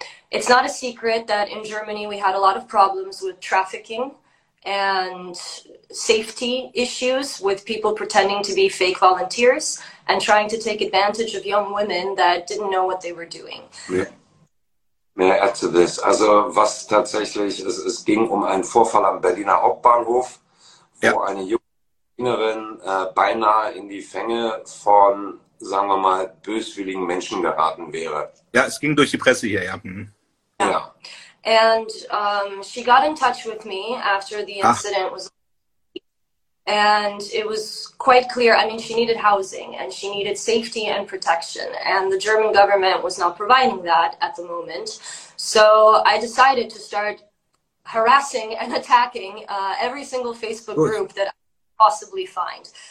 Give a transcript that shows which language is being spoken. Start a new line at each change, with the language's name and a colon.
English: It's not a secret that in Germany we had a lot of problems with trafficking and safety issues with people pretending to be fake volunteers and trying to take advantage of young women that didn't know what they were doing. May I add to this?
German: Also, was tatsächlich, es ging um einen Vorfall am Berliner Hauptbahnhof, wo eine Innerin beinahe in die Fänge von, sagen wir mal, böswilligen Menschen geraten wäre. Ja, es ging durch die Presse hier, ja. Ja.
English: And she got in touch with me after the incident was And it was quite clear, I mean, she needed housing and she needed safety and protection. And the German government was not providing that at the moment. So I decided to start harassing and attacking every single Facebook group that I could possibly find.